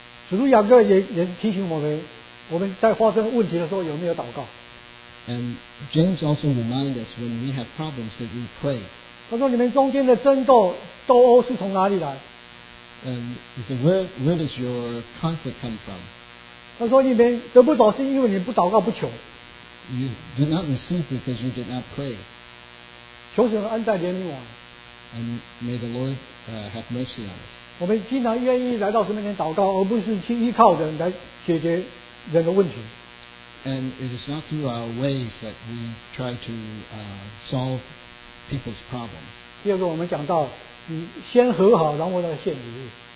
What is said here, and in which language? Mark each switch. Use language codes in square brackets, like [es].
[zh] 使徒雅各也提醒我们，我们在发生问题的时候有没有祷告。 [en] And James also reminds us when we have problems that we pray. [zh] 他说你们中间的争斗斗殴是从哪里来？ [en] And he said, where does your conflict come from? [zh] 他说你们得不着是因为你不祷告不求。 [en] You did not receive because you did not pray. [zh] 求神恩待怜悯我们。 [en] And may the Lord have mercy on us. [zh] 我们经常愿意来到神面前祷告，而不是去依靠人来解决人的问题。 [en] And it is not through our ways that we try to solve people's problems. [zh] 第二个，我们讲到，你先和好，然后再献礼物。